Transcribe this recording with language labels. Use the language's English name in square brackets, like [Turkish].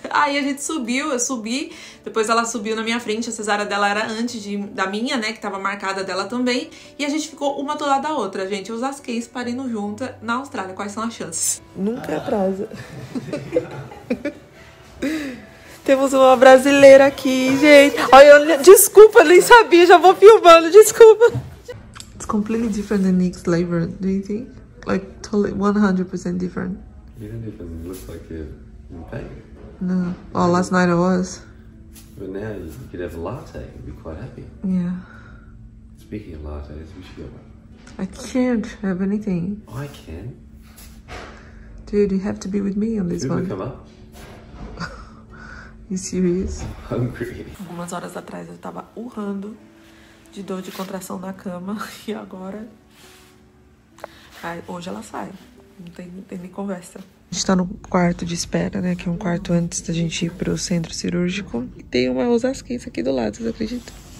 [Portuguese] Aí a gente subiu, eu subi, depois ela subiu na minha frente, a cesárea dela era antes da minha, né, que tava marcada dela também, e a gente ficou uma do lado da outra, gente, osasquense parindo junta na Austrália, quais são as chances? Nunca atrasa. Temos uma brasileira aqui, gente. Olha, desculpa, nem sabia, já vou filmando, desculpa. Desculpa. [English] completely different than Nick's flavor, do you think? Like, totally 100% different. You don't even look like you're in pain. No. Well, last night I was. But now you could have a latte and be quite happy. Yeah. Speaking of lattes, we should get one. I can't have anything. I can. Dude, you have to be with me on this one. Come up. You serious? I'm hungry. [Portuguese] Algumas horas atrás eu tava urrando de dor de contração na cama e agora. Hoje ela sai. Não tem nem conversa. A gente tá no quarto de espera, né? Que é um quarto antes da gente ir pro centro cirúrgico. E tem uma osasquinha aqui do lado, vocês acreditam?